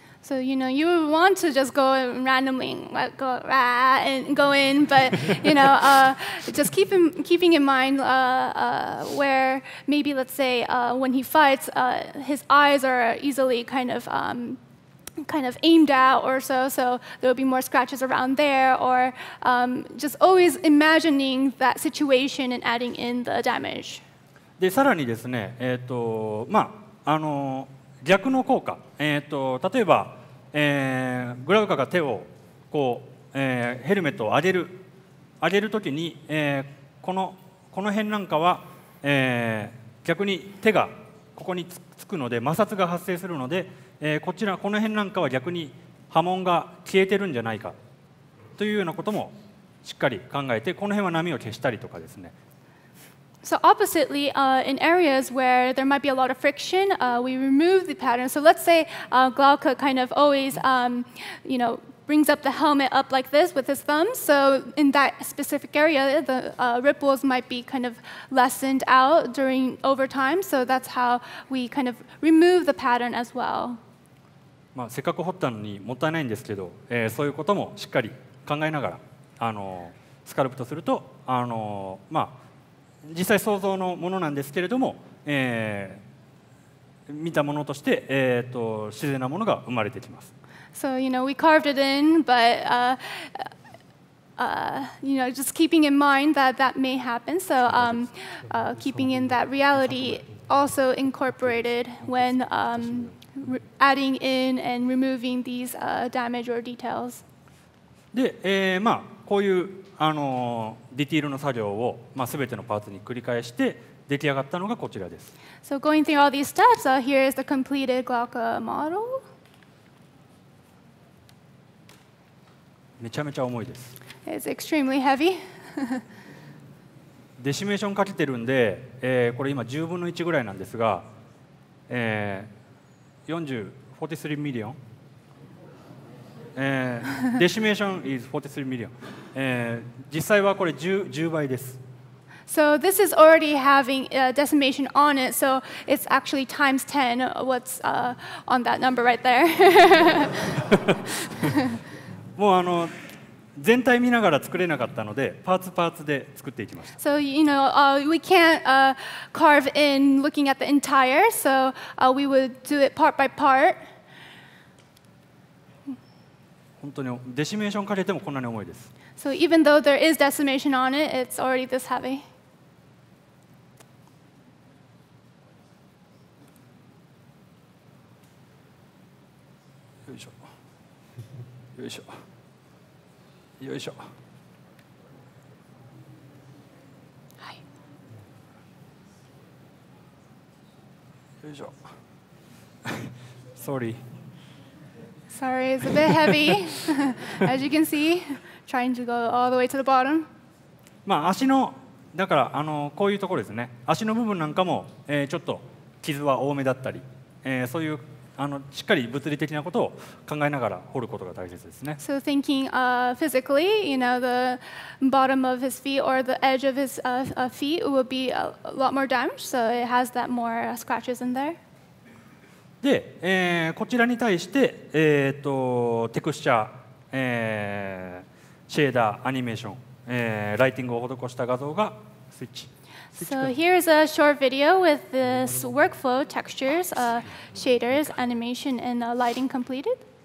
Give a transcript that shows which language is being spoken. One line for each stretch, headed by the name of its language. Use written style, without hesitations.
English: So, you know, you would want to just go randomly and go, rah, and go in, but, you know, just keeping in mind where maybe, let's say, when he fights, his eyes are easily kind of aimed out or so, so there will be more scratches around there, or just always imagining that situation and adding in the damage.
Japanese: で、さらにですね、まあ、逆の効果、例えば、グラウカが手をこう、ヘルメットを上げるときに、この辺なんかは、逆に手がここにつくので摩擦が発生するので、この辺なんかは逆に波紋が消えてるんじゃないかというようなこともしっかり考えてこの辺は波を消したりとかですね。
English: So oppositely, in areas where there might be a lot of friction, we remove the pattern. So let's say Glauca kind of always, you know, brings up the helmet up like this with his thumbs. So in that specific area, the ripples might be kind of lessened out during over time. So that's how we kind of remove the pattern as well.
Japanese: まあ、せっかく掘ったのにもったいないんですけど、そういうこともしっかり考えながら、スカルプトすると、まあ、実際想像のものなんですけれども、見たものとして、自然なものが生まれてきます。
English: So, you know, we carved it in, but, you know, just keeping in mind that that may happen. So, keeping in that reality also incorporated when adding in and removing these damage or details.
Japanese: で、まあ、こういう、ディティールの作業を、まあ、全てのパーツに繰り返して出来上がったのがこちらです。
English: So going through all these steps, here is the completed Glauca model.
Japanese: めちゃめちゃ重いです。
English: It's extremely heavy.
Japanese: デシメーションかけてるんで、これ今10分の1ぐらいなんですが、43 million。デシメーション is 43 million。実際はこれ 10倍です。
English: So this is already having a decimation on it, so it's actually times 10 what's on that number right there.
Japanese: もう全体見ながら作れなかったので、パーツパーツで作っていきました。
English: So you know, we can't carve in looking at the entire, so we would do it part by part.
Japanese: 本当にデシメーションかけてもこんなに重いです。
English: So even though there is decimation on it, it's already this heavy.
Japanese: よいしょ。よいしょ。よいしょ。はい。よいしょ。
English: Sorry. Sorry, it's a bit heavy. As you can see, trying to go all the way to the bottom.
Japanese: まあ足のだからあのこういうところですね。足の部分なんかも、ちょっと傷は多めだったり、そういうあのしっかり物理的なことを考えながら掘ることが大切ですね。
English: So thinking physically, you know, the bottom of his feet or the edge of his feet will be a lot more damaged, so it has that more scratches in there.
Japanese: で、こちらに対して、テクスチャー、シェーダー、アニメーション、ライティングを施した画像がスイッチ。
English: So here is a short video with this workflow textures, shaders, animation, and lighting completed.